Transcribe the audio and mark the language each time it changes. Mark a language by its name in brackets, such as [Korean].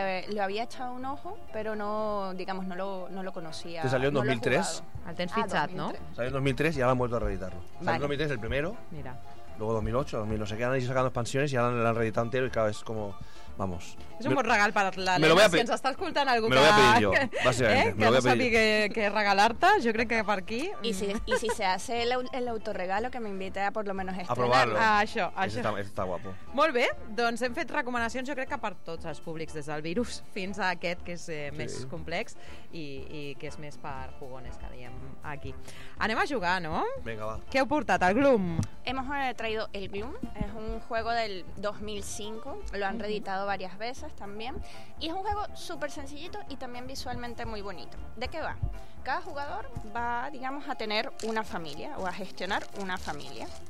[Spanish] Lo había echado un ojo, pero no, digamos, no lo conocía. Te salió en no 2003. Al Tens Fitxat, ¿no? Salió en 2003 y ahora han vuelto a reeditarlo. Vale. Salió en 2003 el primero. Mira. Luego 2008, 2000, no sé qué, han ido sacando expansiones y ahora lo han reeditado entero y claro, es como, vamos. Es un buen regalo para la Lena, [Catalan] si ens està escoltant algú. [Spanish] Me lo voy a pedir yo, básicamente. [Catalan] Que no sàpiga que regalar-te, jo crec que per aquí. [Spanish] Y si se hace el autorregalo, que me invite a por lo menos estrenar. A probarlo. [Catalan] A això. [Spanish] Está guapo. [Catalan] Molt bé, doncs hem fet recomanacions, jo crec que per tots els públics, des del virus fins a aquest, que és més complex i que és més per jugones, que diem aquí. Anem a jugar, no? [Spanish] Venga, va. [Catalan] Què heu portat, el Gloom? [Spanish] Hemos traído el Gloom, es un juego del 2005, lo han reeditado varias veces también, y es un juego súper sencillito y también visualmente muy bonito. ¿De qué va? Cada jugador va, digamos, a tener una familia o a gestionar una familia.